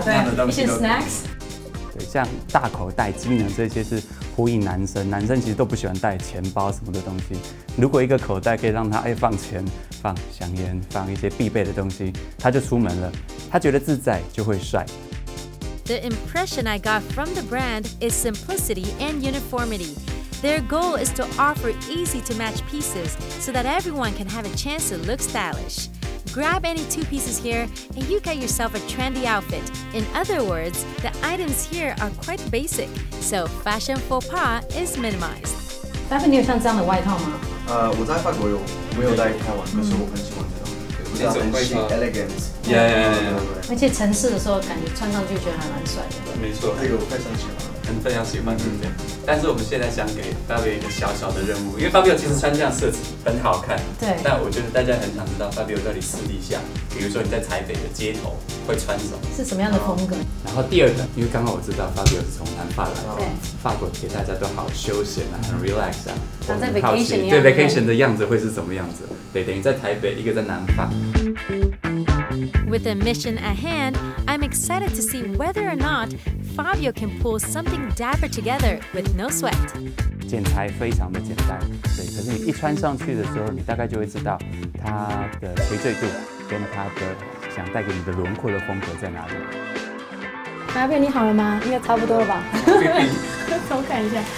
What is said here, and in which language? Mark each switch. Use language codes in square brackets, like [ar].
[zh] 对，那样的东西一些 snacks。对，像大口袋、机能这些是呼应男生，男生其实都不喜欢带钱包什么的东西。如果一个口袋可以让他放钱、放香烟、放一些必备的东西，他就出门了，他觉得自在就会帅。 [en] The impression I got from the brand is simplicity and uniformity. Their goal is to offer easy to match pieces so that everyone can have a chance to look stylish. Grab any two pieces here and you get yourself a trendy outfit. In other words, the items here are quite basic, so fashion faux pas is minimized. [zh] Fabio, 你有像这样的外套吗？我在法国有，没有在台湾，可是我很喜欢这种，我觉得很 elegant。 [en] Yeah. [zh] 而且城市的时候感觉穿上去觉得还蛮帅的。没错，这个我非常喜欢，很非常喜欢这件。但是我们现在想给 Fabio 一个小小的任务，因为 Fabio 其实穿这样色子很好看。对。但我觉得大家很想知道 Fabio 到底私底下，比如说你在台北的街头会穿什么？是什么样的风格？然后第二个，因为刚刚我知道 Fabio 是从南法来的，对，法国给大家都好休闲啊，很 relax 啊，像在 vacation 对 vacation 的样子会是什么样子？对，等于在台北，一个在南法。 [en] With a mission at hand, I'm excited to see whether or not Fabio can pull something dapper together with no sweat. [zh] 剪裁非常的简单，对，可是你一穿上去的时候，你大概就会知道它的垂坠度跟它的想带给你的轮廓的风格在哪里。 Fabio， 你好了吗？应该差不多了吧？偷看一下。